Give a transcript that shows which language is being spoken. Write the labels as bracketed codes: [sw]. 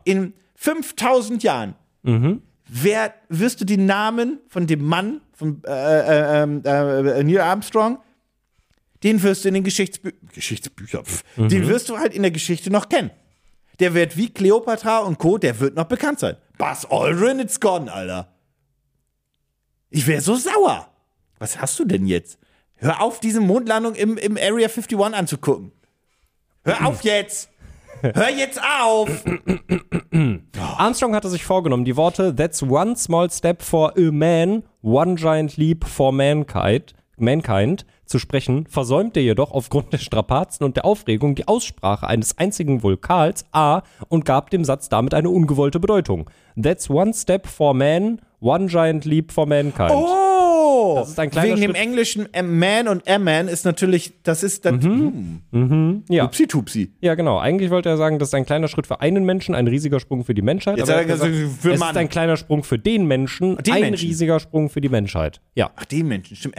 [de] In 5000 Jahren. Mhm. Wirst du den Namen von dem Mann, von Neil Armstrong, den wirst du in den den wirst du halt in der Geschichte noch kennen. Der wird wie Kleopatra und Co., der wird noch bekannt sein. [en] Buzz Aldrin, it's gone, Alter. [de] Ich wäre so sauer. Was hast du denn jetzt? Hör auf, diese Mondlandung im Area 51 anzugucken. Hör auf jetzt. Hör jetzt auf. Armstrong hatte sich vorgenommen, die Worte [en] That's one small step for a man, one giant leap for mankind [de] zu sprechen, versäumte jedoch aufgrund der Strapazen und der Aufregung die Aussprache eines einzigen Vokals A und gab dem Satz damit eine ungewollte Bedeutung. [en] That's one step for man, one giant leap for mankind. [de] Oh! Das ist ein kleiner Schritt. Wegen dem englischen Man und A-Man ist natürlich, das ist dann. Ja. Upsi-tupsi. Ja, genau. Eigentlich wollte er sagen, das ist ein kleiner Schritt für einen Menschen, ein riesiger Sprung für die Menschheit. Jetzt aber er gesagt, für es Mann. Ist ein kleiner Sprung für den Menschen, den ein Menschen. Riesiger Sprung für die Menschheit. Ja. Ach, den Menschen. Stimmt.